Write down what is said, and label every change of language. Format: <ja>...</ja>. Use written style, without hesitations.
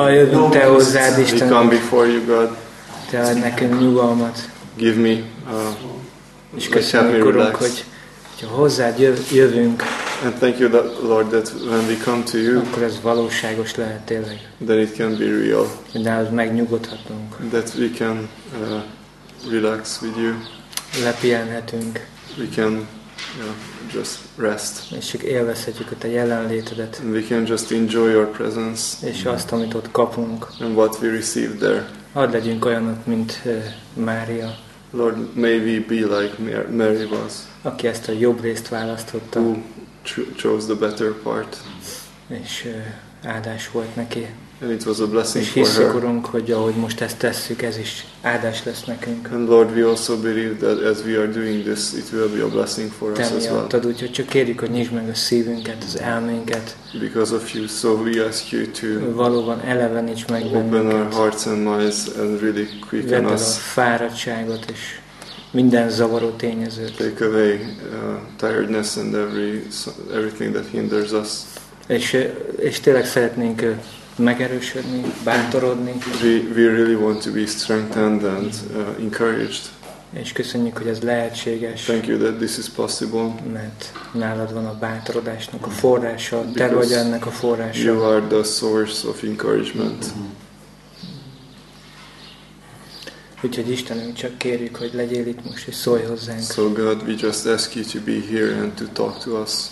<hu>Jövünk Te hozzád, Istenem.</hu> <en>We come before You, God.</en> <hu>Te add nekem nyugalmat.</hu> <en>Give me.</en> <hu>És köszönjük, Urunk, hogy hozzád jövünk.</hu> <en>And thank You, that, Lord, that when we come to You,</en> <hu>akkor ez valóságos lehet tényleg.</hu> <en>That it can be real.</en> <hu>Nálad megnyugodhatunk.</hu> <en>That we can relax with You.</en> <hu>Lepihenhetünk.</hu> <en>We can just rest.</en> <hu>És csak élvezhetjük a Te jelenlétedet.</hu> <en>And we can just enjoy Your presence.</en> <hu>És azt, amit ott kapunk.</hu> <en>And what we receive there.</en> <hu>Hadd legyünk olyanok, mint Mária.</hu> <en>Lord, may we be like Mary was.</en> <hu>Aki ezt a jobb részt választotta.</hu> <en>Who chose the better part.</en> <hu>És áldás volt neki.</hu> <en>And it was a blessing for her.</en> <hu>És hiszük, Urunk, hogy ahogy most ezt tesszük, ez is áldás lesz nekünk.</hu> <en>And Lord, we also believe that as we are doing this, it will be a blessing for</en> <hu>Te</hu> <en>us as well.</en> <hu>Te miattad, csak kérjük, hogy nyisd meg a szívünket, az elménket.</hu> <en>Because of You, so we ask You to</en> <hu>valóban eleveníts meg bennünket.</hu> <en>Open our hearts and minds and really quicken us.</en> <hu>Vedd el a fáradtságot és minden zavaró tényezőt.</hu> <en>Take away tiredness and everything that hinders us.</en> <hu>És tényleg szeretnénk megerősödni, bátorodni.</hu> <en>We really want to be strengthened and encouraged.</en> <hu>És köszönjük, hogy ez lehetséges.</hu> <en>Thank You that this is possible.</en> <hu>Mert nálad van a bátorodásnak a forrása, Te vagy ennek a forrása.</hu> <en>You are the source of encouragement.</en> <hu>Úgyhogy Istenünk, csak kérjük, hogy legyél itt most, és szólj hozzánk.</hu> <en>So God, we just ask You to be here and to talk to us.</en>